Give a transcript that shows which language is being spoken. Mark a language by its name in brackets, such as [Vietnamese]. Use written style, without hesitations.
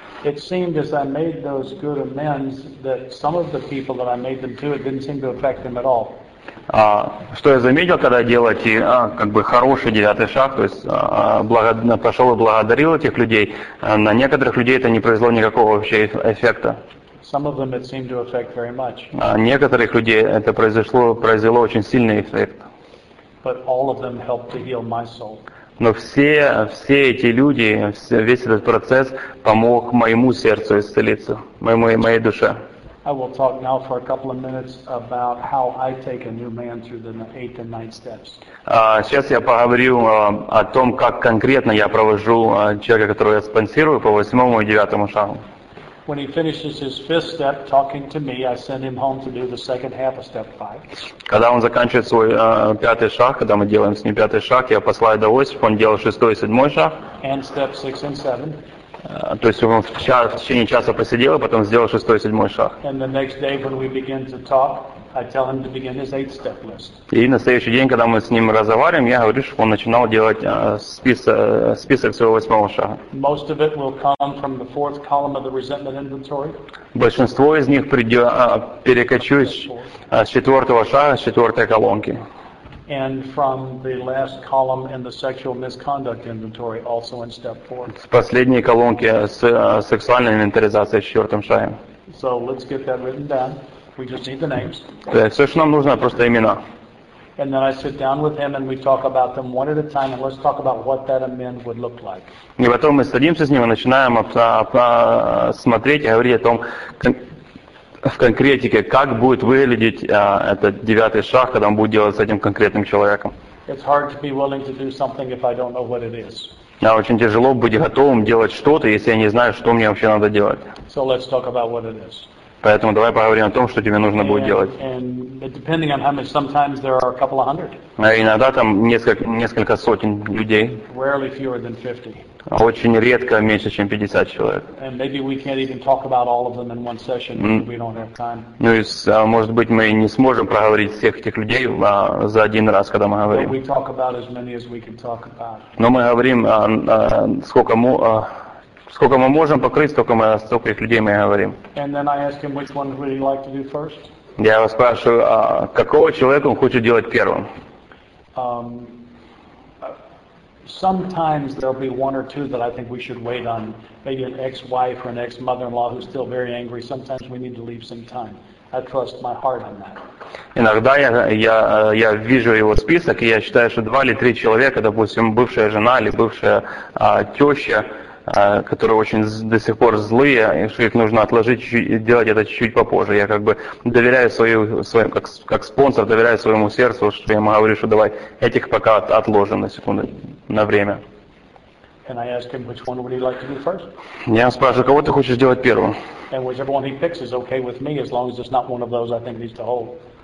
[English] It seemed as I made those good amends that some of the people that I made them to, it didn't seem to affect them at all. [Russian] Что я заметил, когда делал эти как бы хороший девятый шаг, то есть пошел и благодарил этих людей, на некоторых людей это не произвело никакого вообще эффекта. [English] Some of them it seemed to affect very much. [Russian] Некоторых людей это произвело очень сильный эффект. [English] But all of them helped to heal my soul. [Russian] Но все эти люди, весь этот процесс помог моему сердцу исцелиться, моей душе. [English] I will talk now for a couple of minutes about how I take a new man through the 8 and 9 steps. [Russian] Сейчас я поговорю о том, как конкретно я провожу человека, которого я спонсирую по 8-му и 9-му шагу. [English] When he finishes his 5th step talking to me, I send him home to do the second half of step 5. [Russian] Когда он заканчивает свой 5-й шаг, когда мы делаем с ним 5-й шаг, я посылаю до 8, он делал 6-й и 7-й шаг. [English] And step 6 and 7. [Russian] То есть он в течение часа посидел, а потом сделал 6-й и 7-й шаг. [English] Day, talk, [Russian] и на следующий день, когда мы с ним разговариваем, я говорю, что он начинал делать список своего 8-го шага. [English] Most of it will come from the 4th column of the resentment inventory. [Russian] Большинство из них перекочует с 4-го шага, с 4-й колонки. [English] And from the last column in the sexual misconduct inventory, also in step 4. [Russian] С последней колонки с сексуальной инвентаризацией в 4-м шаге. [English] So let's get that written down. We just need the names. [Russian] Все, что нам нужно, просто имена. [English] And then I sit down with him and we talk about them one at a time and let's talk about what that amend would look like. [Russian] И потом мы садимся с ним и начинаем смотреть и говорить о том, в конкретике, как будет выглядеть этот 9-й шаг, когда он будет делать с этим конкретным человеком. Очень тяжело быть готовым делать что-то, если я не знаю, что мне вообще надо делать. [English] So let's talk about what it is. [Russian] Поэтому давай поговорим о том, что тебе нужно будет делать. [English] And depending on how much, sometimes there are a couple of hundred. [Russian] Иногда там несколько сотен людей. [English] Rarely fewer than 50. [Russian] Очень редко меньше, чем 50 человек. [English] And maybe we can't even talk about all of them in one session. We don't have time. [Russian] Может быть, мы не сможем проговорить всех этих людей за один раз, когда мы говорим. [English] But we talk about as many as we can talk about. [Russian] Но мы говорим, сколько мы можем покрыть, столько их людей мы говорим. [English] And then I ask him which one would he like to do first. [Russian] Я его спрашиваю, какого человека он хочет делать первым. [English] Sometimes there'll be one or two that I think we should wait on, maybe an ex-wife or an ex-mother-in-law who's still very angry. Sometimes we need to leave some time. I trust my heart on that. [Russian] Иногда я вижу его список, и я считаю, что два или три человека, допустим, бывшая жена или бывшая теща, которые очень до сих пор злые, и что их нужно отложить, делать это чуть-чуть попозже. Я как бы доверяю своим, как спонсор, доверяю своему сердцу, что я ему говорю, что давай этих пока отложим на секунду, на время. [English] And I ask him, which one would he like to do first? [Russian] Я спрашиваю, кого ты хочешь сделать первым? [English] And whichever one he picks is okay with me, as long as it's not one of those I think needs to hold.